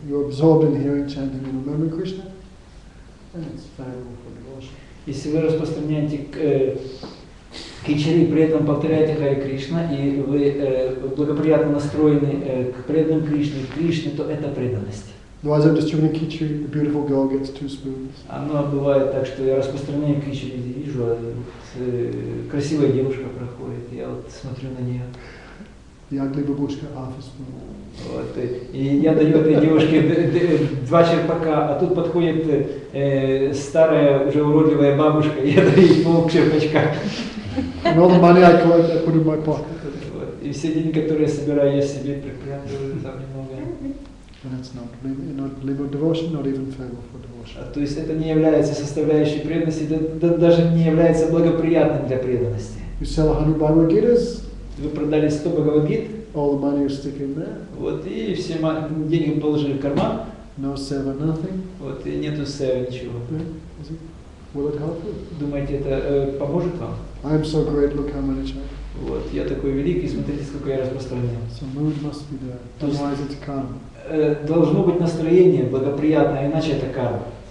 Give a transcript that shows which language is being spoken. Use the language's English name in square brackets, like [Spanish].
[English] You're absorbed in hearing, chanting, and remembering Krishna. And it's valuable for devotion. [Russian] Если вы распространяете кичари, при этом повторяете Харе Кришна, и вы благоприятно настроены к преданным Кришне, к Кришне, то это преданность. Оно бывает так, что я распространяю кичари, и вижу, а вот, красивая девушка проходит, я вот смотрю на нее. [English] The ugly babushka, half a spoon. [Russian] Вот, и я даю этой девушке два черпака, а тут подходит старая, уже уродливая бабушка, и я даю ей пол черпачка. [English] And all the money I collect, I put in my pocket. [Russian] И все деньги, которые собираю, я себе припрятываю там немного. [English] And it's not liberal devotion, not even favorable for devotion. [Russian] То есть это не является составляющей преданности, даже не является благоприятным для преданности. [English] You sell 100 Bhagavad Gitas. [Russian] Вы продали 100 Bhagavad Gita. [English] All the money you stick in there. [Russian] Вот и все деньги положили в карман. [English] No seva, nothing. [Russian] Вот и нету сева ничего. [English] Will it help you? [Russian] Думаете, это поможет вам? [English] I am so great, look how much I have. [Russian] Вот, я такой великий, смотрите, сколько я распространен. [English] So mood must be there, otherwise it's karma. [Russian] Должно быть настроение благоприятное, иначе это карма.